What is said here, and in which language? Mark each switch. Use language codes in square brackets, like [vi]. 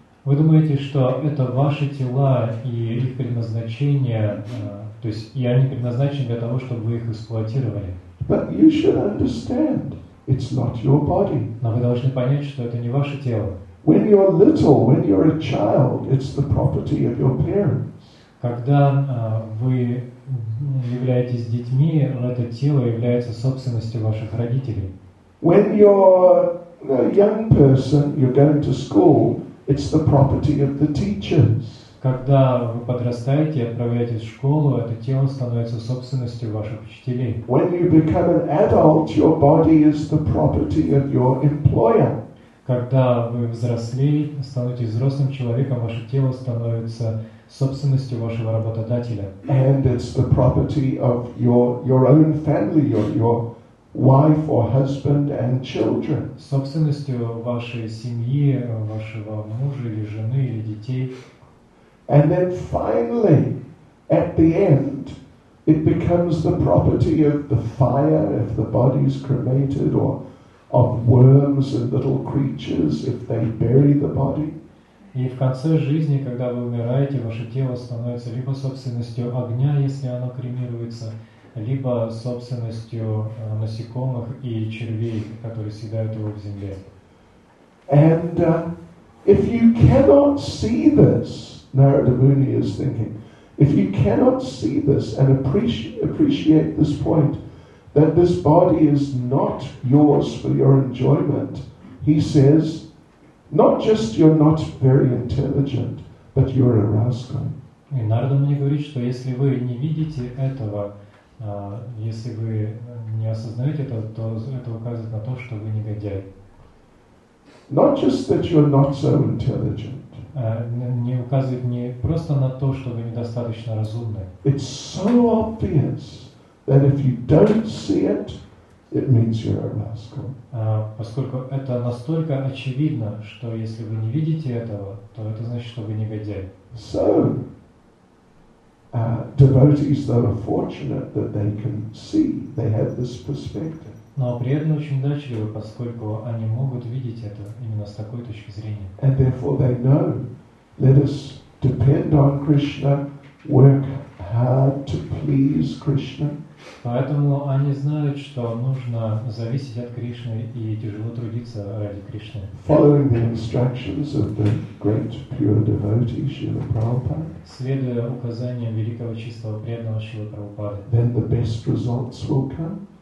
[ru] Вы думаете, что это ваши тела и их предназначение, то есть и они предназначены для того, чтобы вы их эксплуатировали? [en] But you should understand. It's not your body. [ru] Но вы должны понять, что это не ваше тело. [en] When you're little, when you're a child, it's the property of your parents. [ru] Когда вы являетесь детьми, это тело является собственностью ваших родителей. [en] When you're a young person, you're going to school, it's the property of the teachers. [ru] Когда вы подрастаете и отправляетесь в школу, это тело становится собственностью ваших учителей. [en] When you become an adult, your body is the property of your employer. [ru] Когда вы взрослеете, становитесь взрослым человеком, ваше тело становится собственностью вашего работодателя. [en] And it's the property of your own family, your wife or husband and children. [ru] Собственностью вашей семьи, вашего мужа или жены или детей. [en] And then finally, at the end, it becomes the property of the fire, if the body is cremated, or of worms and little creatures, if they bury the body. [ru] И в конце жизни, когда вы умираете, ваше тело становится либо собственностью огня, если оно кремируется, либо собственностью насекомых и червей, которые съедают его в земле. [en] And if you cannot see this, Narada Muni is thinking, if you cannot see this and appreciate this point, that this body is not yours for your enjoyment, he says, not just you're not very intelligent, but you're a rascal. [ru] И Нарада Муни говорит, что если вы не видите этого, если вы не осознаете это, то это указывает на то, что вы негодяй. [en] Not just that you're not so intelligent. [ru] Не указывает не просто на то, что вы недостаточно разумны. [en] It's so obvious that if you don't see it, it means you're a rascal. [ru] Поскольку это настолько очевидно, что если вы не видите этого, то это значит, что вы негодяй. [en] So, devotees that are fortunate that they can see, they have this perspective. [ru] Но преданные очень удачливы, поскольку они могут видеть это именно с такой точки зрения. [en] And therefore they know, let us depend on Krishna, work hard to please Krishna. [ru] Поэтому они знают, что нужно зависеть от Кришны и тяжело трудиться ради Кришны. [en] Following the instructions of the great pure devotee Śrīla Prabhupāda. [ru] Следуя указаниям великого чистого преданного Śrīla Prabhupāda. [en] Then the best results will come.